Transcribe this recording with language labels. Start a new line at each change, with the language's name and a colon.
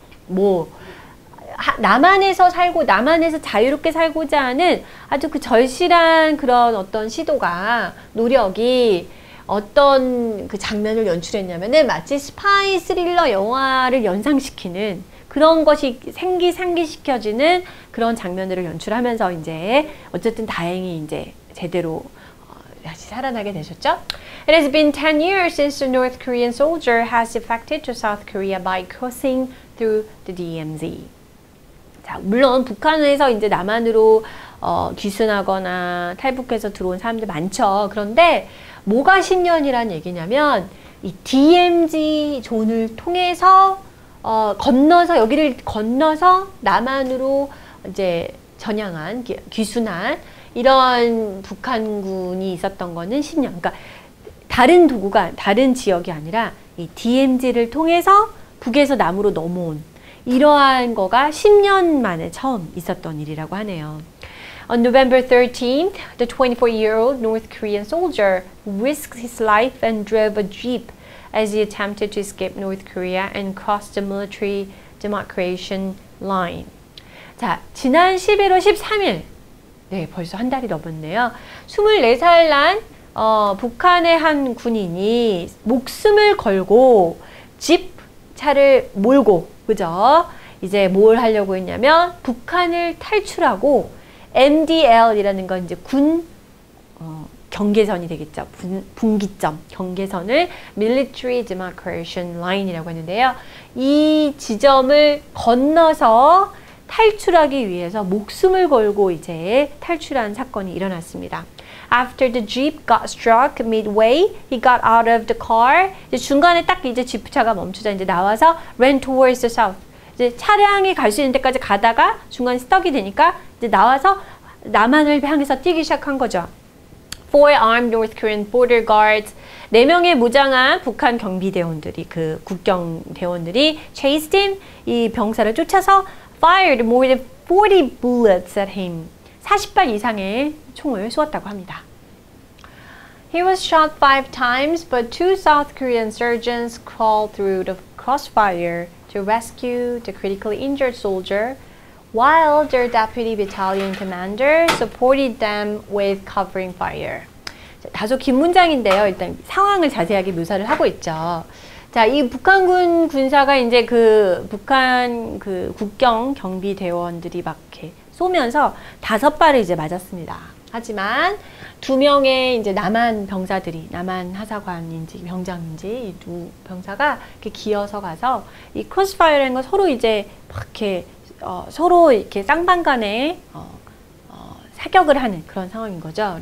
Korean: 뭐, 남한에서 살고, 남한에서 자유롭게 살고자 하는 아주 그 절실한 그런 어떤 시도가, 노력이 어떤 그 장면을 연출했냐면은 마치 스파이 스릴러 영화를 연상시키는 그런 것이 생기시켜지는 그런 장면들을 연출하면서 이제 어쨌든 다행히 이제 제대로 다시 살아나게 되셨죠?
English: It has been 10 years since a North Korean soldier has defected to South Korea by crossing through the DMZ.
Korean: 자, 물론 북한에서 이제 남한으로 귀순하거나 탈북해서 들어온 사람들 많죠. 그런데 뭐가 10년이란 얘기냐면 이 DMZ 존을 통해서 여기를 건너서 남한으로 이제 전향한, 귀순한 이런 북한군이 있었던 거는 10년. 그러니까 다른 도구가, 다른 지역이 아니라 이 DMZ를 통해서 북에서 남으로 넘어온 이러한 거가 10년 만에 처음 있었던 일이라고 하네요.
English: On November 13th, the 24-year-old North Korean soldier risked his life and drove a jeep as he attempted to escape North Korea and cross the military demarcation line.
Korean: 자, 지난 11월 13일, 네, 벌써 한 달이 넘었네요. 24살 난 북한의 한 군인이 목숨을 걸고 집 차를 몰고, 그죠? 이제 뭘 하려고 했냐면 북한을 탈출하고 MDL이라는 건 이제 군 경계선이 되겠죠. 분기점, 경계선을 Military Demarcation Line이라고 하는데요. 이 지점을 건너서 탈출하기 위해서 목숨을 걸고 이제 탈출한 사건이 일어났습니다.
English: After the jeep got struck midway, he got out of the car.
Korean: 이제 중간에 딱 이제 지프차가 멈추자 이제 나와서
English: ran towards the south.
Korean: 이제 차량이 갈 수 있는 데까지 가다가 중간에 스톡이 되니까 이제 나와서 남한을 향해서 뛰기 시작한 거죠.
English: Four armed North Korean border guards,
Korean: 네 명의 무장한 북한 경비대원들이, 그 국경 대원들이
English: chased him,
Korean: 이 병사를 쫓아서
English: fired more than 40 bullets at him.
Korean: 40발 이상의 총을 쏘았다고 합니다.
English: He was shot 5 times, but two South Korean surgeons crawled through the crossfire to rescue the critically injured soldier, while their deputy battalion commander supported them with covering fire.
Korean: 자, 다소 긴 문장인데요. 일단 상황을 자세하게 묘사를 하고 있죠. 자, 이 북한군 군사가 이제 그 북한 그 국경 경비 대원들이 막 이렇게 쏘면서 다섯 발을 이제 맞았습니다. 하지만 두 명의 이제 남한 병사들이, 남한 하사관인지 병장인지 이 두 병사가 이렇게 기어서 가서 이 크로스파이어라는 건 서로 이제 막 이렇게 서로 이렇게 쌍방 간에 사격을 하는 그런 상황인 거죠.